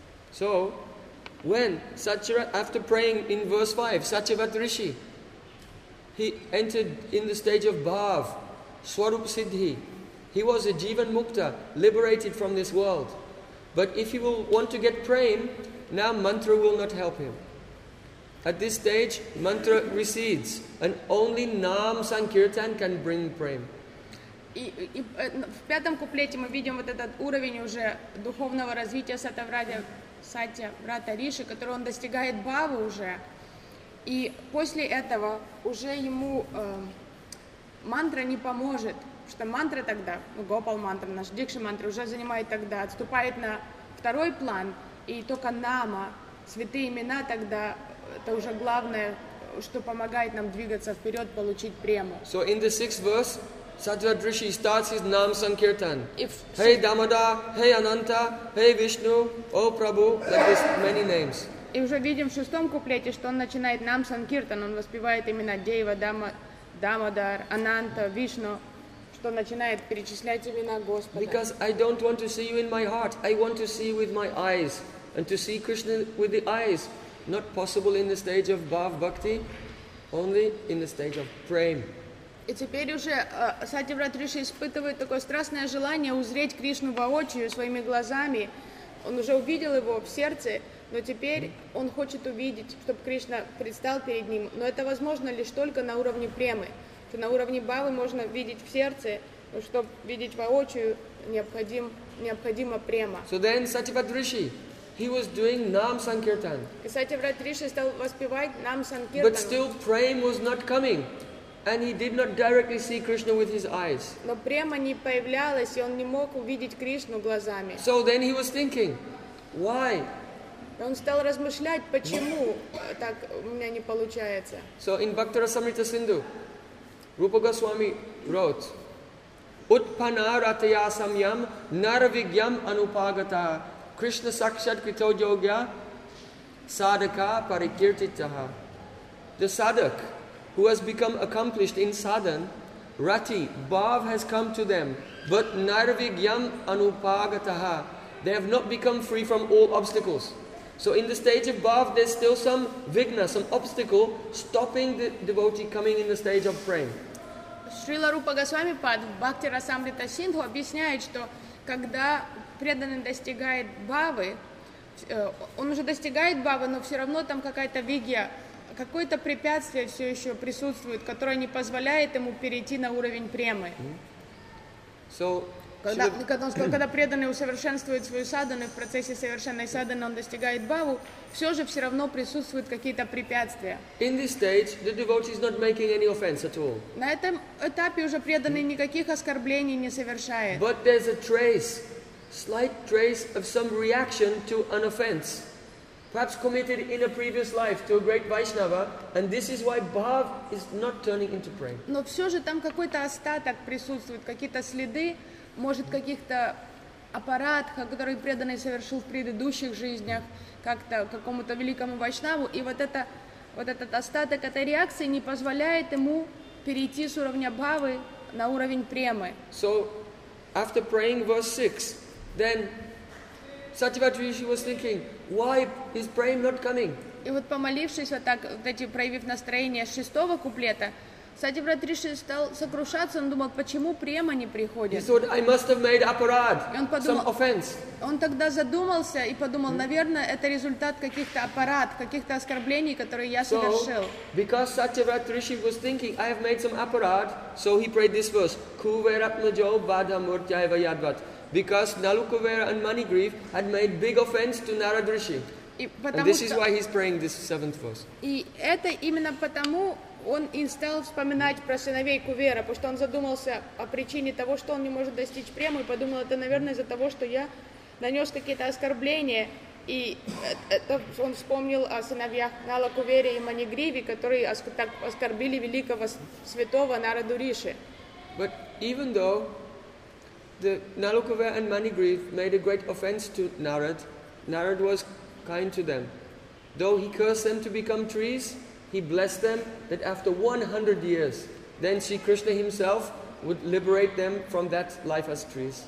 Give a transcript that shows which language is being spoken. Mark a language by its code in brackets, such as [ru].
[en] So, when Satyavrat, after praying in verse 5, Satyavrat Rishi, he entered in the stage of Bhav, Swarup Siddhi. He was a Jivan Mukta, liberated from this world. But if he will want to get Prem, now mantra will not help him. At this stage, mantra recedes, and only Naam Sankirtan can bring prem. [ru] И в пятом куплете мы видим вот этот уровень уже духовного развития Сатьяврата Риши, который он достигает бхавы уже. И после этого уже ему мантра не поможет, что мантра тогда, ну, Гопал мантра, наш дикша мантра уже занимает тогда, отступает на второй план, и только Нама, святые имена тогда, это уже главное, что помогает нам двигаться вперед, получить прему. [en] So in the sixth verse, Satyavrat Rishi starts his Nam Sankirtan. Hey Damoda, hey Ananta, hey Vishnu, oh Prabhu, like this many names. [ru] И уже видим в шестом куплете, что он начинает Нам Санкиртан, он воспевает имена Дева, Дамодар, Ананта, Вишну, что начинает перечислять имена Господа. [en] Because I don't want to see you in my heart, I want to see you with my eyes, and to see Krishna with the eyes. Not possible in the stage of bhav bhakti, only in the stage of prem. [ru] И теперь уже Сатьяврат Риши испытывает такое страстное желание узреть Кришну воочию своими глазами. Он уже увидел его в сердце, но теперь он хочет увидеть, чтобы Кришна предстал перед ним. Но это возможно лишь только на уровне премы. То на уровне бхавы можно видеть в сердце, но чтобы видеть воочию, необходима према. [en] So then Сатьяврат Риши, he was doing Nam Sankirtan. [ru] Сатьяврат Риши стал воспевать Нам Санкиртан. [en] But still prem was not coming. And he did not directly see Krishna with his eyes. [ru] Но према не появлялась, и он не мог увидеть Кришну глазами. [en] So then he was thinking, why? [ru] И он стал размышлять, почему так у меня не получается. [sa] So in Bhaktarasamrita Sindhu, Rupa Goswami wrote, Utpana Rataya Samyam Naravigyam Anupagata Krishna Sakshat Krito Yogya Sadhaka Parikirtitaha. [en] The sadhak, who has become accomplished in sadhan, Rati, Bhav has come to them, but Nirvigyam Anupagataha, they have not become free from all obstacles. So in the stage of Bhav, there's still some vigna, some obstacle, stopping the devotee coming in the stage of praying. [ru] Srila Rupa Goswami Pad, Bhakti Rasamrita Sindhu, объясняет, что когда преданный достигает Бхавы, он уже достигает Бхавы, но все равно там какая-то вигья, какое-то препятствие все еще присутствует, которое не позволяет ему перейти на уровень премы. [en] So, [ru] когда преданный усовершенствует свою садхану, в процессе совершенной садханы он достигает Бхаву, все равно присутствуют какие-то препятствия. [en] In this stage, the devotee is not making any offense at all. [ru] На этом этапе уже преданный никаких оскорблений не совершает. [en] But there's a trace, slight trace of some reaction to an offense, perhaps committed in a previous life to a great Vaishnava, and this is why Bhav is not turning into prey. [ru] Но все же там какой-то остаток присутствует, какие-то следы, может, каких-то аппарат, который преданный совершил в предыдущих жизнях, как-то какому-то великому вайшнаву, и вот этот остаток этой реакции не позволяет ему перейти с уровня бхавы на уровень премы. [en] So, after praying verse 6, then Satyavatrishi was thinking, why is praying not coming? [ru] И вот помолившись вот так, вот эти, проявив настроение с шестого куплета, Сативатриши стал сокрушаться, он думал, почему према не приходит. [en] He thought, I must have made aparad, some offense. [ru] Он тогда задумался и подумал, наверное, это результат каких-то аппарат, каких-то оскорблений, которые я совершил. [en] Because Сативатриши was thinking, I have made some aparad, so he prayed this verse. [sa] Kuveratmajo vada murtyaiva yadvat. [en] Because Nalukuvera and Manigriv had made big offense to Naradrishi. And this is why he's praying this seventh verse. [ru] И это именно потому он и стал вспоминать про сыновей Кувера, потому что он задумался о причине того, что он не может достичь премы, и подумал, это, наверное, из-за того, что я нанес какие-то оскорбления, и это он вспомнил о сыновьях Нала Кувере и Манигриве, которые так оскорбили великого святого Нарадуриши. [en] But even though the Nala Kuvera and Manigriva made a great offense to Narad, Narad was kind to them. Though he cursed them to become trees, he blessed them that after 100 years, then Sri Krishna himself would liberate them from that life as trees.